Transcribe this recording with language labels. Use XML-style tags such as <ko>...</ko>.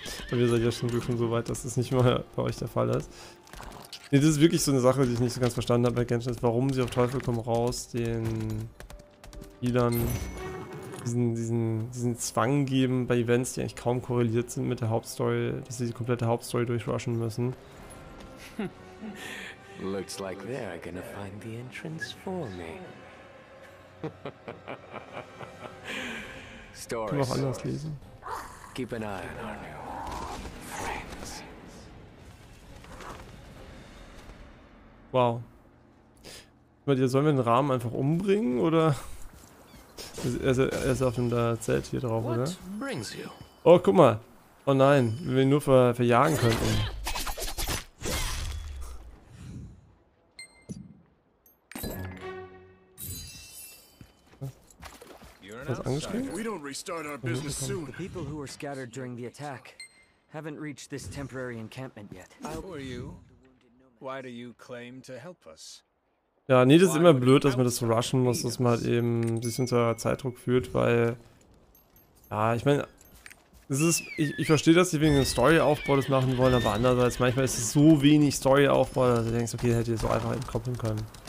<de>Aber ihr seid ja schon so weit, dass das nicht mal bei euch der Fall ist. Nee, das ist wirklich so eine Sache, die ich nicht so ganz verstanden habe bei Genshin, ist, warum sie auf Teufel komm raus den Spielern diesen Zwang geben bei Events, die eigentlich kaum korreliert sind mit der Hauptstory, dass sie die komplette Hauptstory durchrushen müssen.</de> <en>Looks like they're gonna find the entrance for me.</en> <de>Können wir auch anders lesen.</de> <en>Keep an eye on our new friends.</en> <de>Wow. Sollen wir den Rahmen einfach umbringen oder? Er ist auf dem Zelt hier drauf, oder? Oh, guck mal. Oh nein, wenn wir ihn nur verjagen könnten.</de> <en>We don't restart our business soon. The people who were scattered during the attack haven't reached this temporary encampment yet. Who are you? Why do you claim to help us?</en> <de>Ja, nee, das ist immer blöd, dass man das so rushen muss, dass man halt eben sich unter Zeitdruck fühlt, weil ja, ich meine, es ist, ich verstehe, dass sie wegen dem Storyaufbau das machen wollen, aber andererseits manchmal ist es so wenig Storyaufbau, dass du denkst, okay, hätte ich so einfach entkoppeln können.</de>